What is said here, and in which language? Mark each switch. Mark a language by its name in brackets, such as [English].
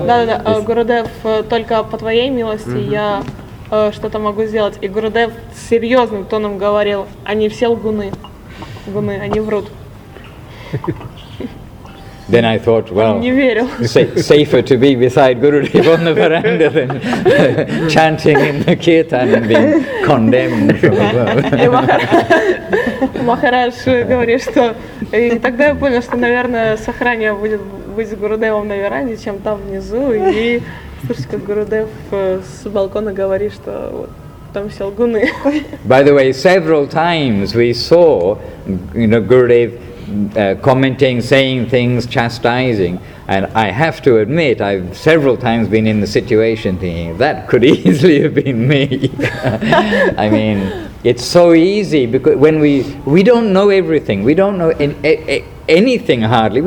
[Russian] Да-да-да, Гурудев, только по твоей милости я что-то могу сделать. И Гурудев серьезным тоном говорил, они все лгуны. Лгуны, они врут. [English] Then I thought, well, safer to be beside Gurudev on the veranda than chanting in the kirtan and being condemned from above. [Russian] Махарадж говорит, что... И тогда я понял, что, наверное, сохранение будет быть с Гурудевом на веранде, чем там внизу. И слушать, как Гурудев с балкона говорит, что вот, там все лгуны. [English] By the way, several times we saw, you know, Gurudev commenting, saying things, chastising, and I have to admit, I've several times been in the situation thinking that could easily have been me. I mean, it's so easy because when we don't know everything, we don't know anything hardly.